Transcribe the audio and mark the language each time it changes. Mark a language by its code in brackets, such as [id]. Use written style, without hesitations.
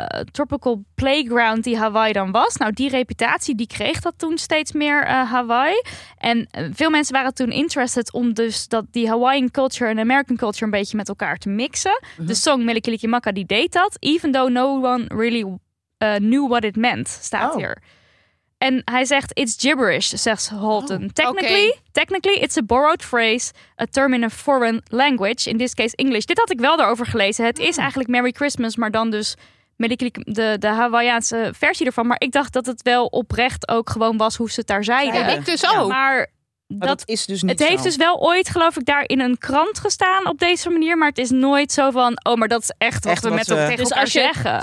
[nl] Tropical playground die Hawaii dan was. Nou, die reputatie die kreeg dat toen steeds meer Hawaii. En veel mensen waren toen interested om dus dat die Hawaiian culture en American culture een beetje met elkaar te mixen. Uh-huh. De song Melikiliki Makka die deed dat. [en] Even though no one really knew what it meant, [nl] staat hier. En hij zegt, [en] it's gibberish, [nl] zegt Holton. [en] Technically, it's a borrowed phrase, a term in a foreign language, in this case English. [nl] Dit had ik wel daarover gelezen. Het is eigenlijk Merry Christmas, maar dan dus de Hawaïaanse versie ervan. Maar ik dacht dat het wel oprecht ook gewoon was hoe ze het daar zeiden. Ja, ik dus ook. Maar dat is dus niet het heeft dus wel ooit, geloof ik, daar in een krant gestaan op deze manier. Maar het is nooit zo van, maar dat is echt wat we met elkaar tegen elkaar zeggen.